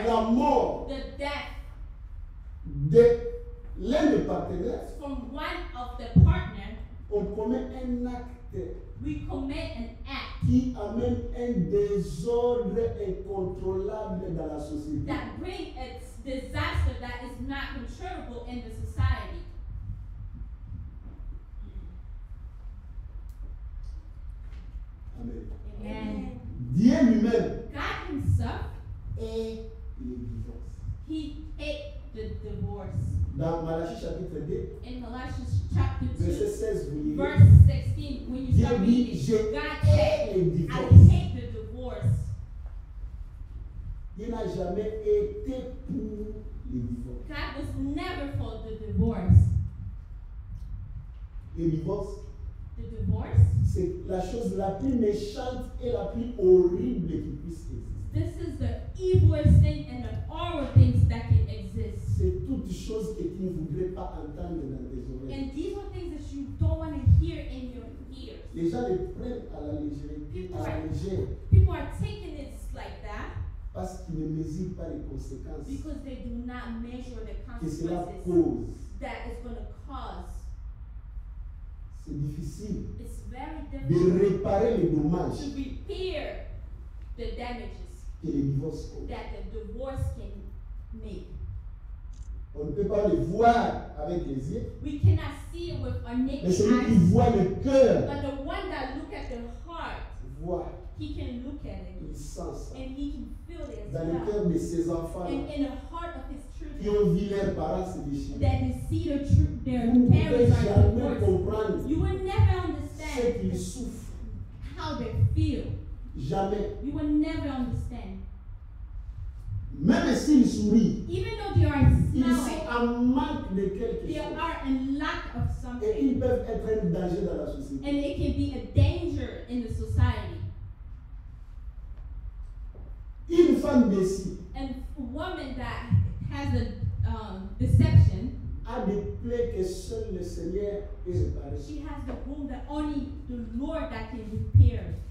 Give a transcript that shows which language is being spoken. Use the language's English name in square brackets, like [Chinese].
[French] la mort, [English] the death [French] de l'un des partenaires, [English] from one of the partner, [French] on commet un acte. [English] We commit an act [French] qui amène un désordre incontrôlable dans la société. [English] That brings a disaster that is not controllable in the society. [French] Amen. [English] Amen. [French] Dieu lui-même. [English] God himself. [French] Et le divorce. [English] He hate the divorce. [French] Dans Malachie chapitre 2. [English] In Malachie chapter 2. [French] Verset 16, vous lisez. [English] Verse 16, when you start reading, God said, I hate the divorce. [French] Il n'a jamais été pour le divorce. [English] God was never for the divorce. [French] Le divorce. [English] The divorce. [French] C'est la chose la plus méchante et la plus horrible qui puisse exister. [English] This is the evilest thing and the horrible things that can exist. [French] C'est toutes choses que tu ne voudrais pas entendre dans tes oreilles. [English] And these are things that you don't want to hear in your ears. [French] Les gens les prennent à la légère. [English] People are taking it like that. [French] Parce qu'ils ne mesurent pas les conséquences. [English] Because they do not measure the consequences that is going to cause. [French] C'est difficile. [English] It's very difficult [French] de réparer les dommages. [English] To repair the damages [French] que les divorces causent. [English] That the divorce can make. [French] On ne peut pas le voir avec les yeux. [English] We cannot see it with our naked eyes. [French] Mais celui qui voit le cœur. [English] But the one that look at the heart. [French] Voit. [English] He can look at it. [French] Il sent ça. [English] And he can feel it as [French] dans [English] well. [French] Le cœur de ses enfants. [English] And in the heart of his [French] qui ont vu leurs parents se déchirer. [English] That they see the truth, their parents are. You will never understand [French] ce qu'ils souffrent. [English] How they feel. [French] Jamais. [English] You will never understand. [French] Même s'ils sourient. [English] Even though they are smiling. [French] Ils sont en manque de quelque [English] they [French] chose. [English] They are in lack of something. [French] Et ils peuvent être un danger dans la société. [English] And it can be a danger in the society. [French] Une femme déçue. [English] And a woman that has a deception. [French] A des plaies que seul le Seigneur peut réparer. [English] She has the wound that only the Lord that can repair.